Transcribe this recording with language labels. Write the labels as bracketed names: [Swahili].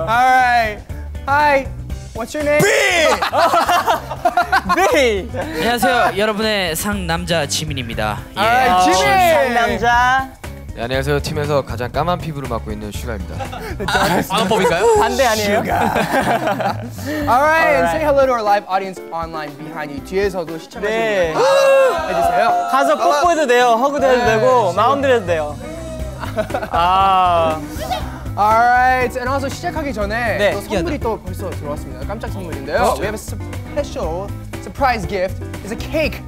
[English] All right. Hi. What's your name? B. B. [Korean] 안녕하세요. 여러분의 상남자 지민입니다. [English] Yeah. All right, 지민. [Korean] 상남자. 네, 안녕하세요. 팀에서 가장 까만 피부를 맡고 있는 슈가입니다. 방법인가요? 반대 아니에요? [English] Sugar. All right. All right. And say hello to our live audience online behind you. [Korean] 뒤에서도 시청하시고 해주세요. 가서 뽀뽀 해도 돼요. 허그도 해도 되고 마음대로 해도 돼요. [English] All right. And also, [Korean] 시작하기 전에 또 선물이 또 벌써 들어왔습니다. 깜짝 선물인데요. Oh, [English] we have a special surprise gift. It's a cake.